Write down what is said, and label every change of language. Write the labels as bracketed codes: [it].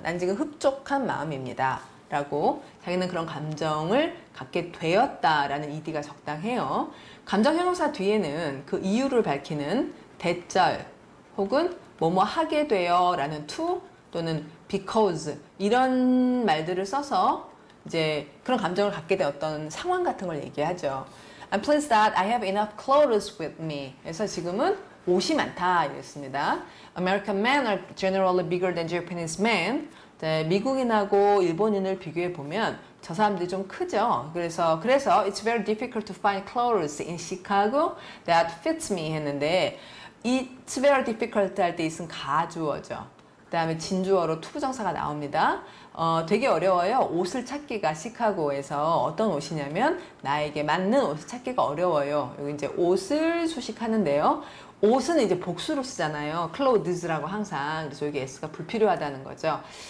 [ko] 난 지금 흡족한 마음입니다. 라고 자기는 그런 감정을 갖게 되었다라는 ED가 적당해요. 감정 형용사 뒤에는 그 이유를 밝히는 대절 혹은 뭐뭐 하게 되어라는 to 또는 because 이런 말들을 써서 이제 그런 감정을 갖게 되었던 상황 같은 걸 얘기하죠. [en] I'm pleased that I have enough clothes with me. [ko] 그래서 지금은 옷이 많다 이랬습니다. [en] American men are generally bigger than Japanese men. [ko] 네, 미국인하고 일본인을 비교해 보면 저 사람들이 좀 크죠. 그래서 [en] it's very difficult to find clothes in Chicago that fits me [ko] 했는데 [en] it's very difficult [ko] 할때 [en] is [ko] 은 가주어죠. 그다음에 진주어로 to 부정사가 나옵니다. 되게 어려워요. 옷을 찾기가 시카고에서 어떤 옷이냐면 나에게 맞는 옷을 찾기가 어려워요. 여기 이제 옷을 수식하는데요. 옷은 이제 복수로 쓰잖아요. clothes라고 항상. 그래서 여기 s가 불필요하다는 거죠.